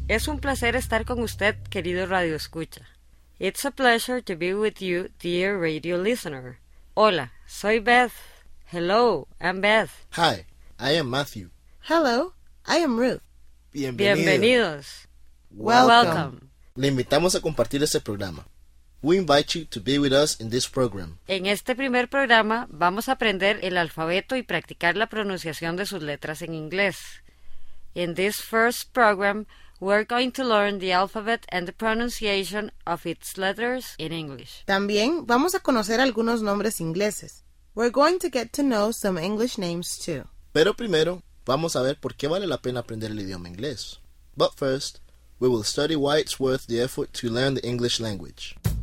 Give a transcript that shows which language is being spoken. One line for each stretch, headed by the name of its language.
Spanish: Es un placer estar con usted, querido Radio Escucha.
English: It's a pleasure to be with you, dear radio listener.
Spanish: Hola, soy Beth.
English: Hello, I'm Beth. Hi, I am Matthew. Hello, I am Ruth.
Spanish: Bienvenido. Bienvenidos.
English: Welcome.
Spanish: Le invitamos a compartir este programa.
English: We invite you to be with us in this program.
Spanish: En este primer programa, vamos a aprender el alfabeto y practicar la pronunciación de sus letras en inglés.
English: In this first program, we're going to learn the alphabet and the pronunciation of its letters in English.
Spanish: También vamos a conocer algunos nombres ingleses.
English: We're going to get to know some English names too.
Spanish: Pero primero, vamos a ver por qué vale la pena aprender el idioma inglés.
English: But first, we will study why it's worth the effort to learn the English language.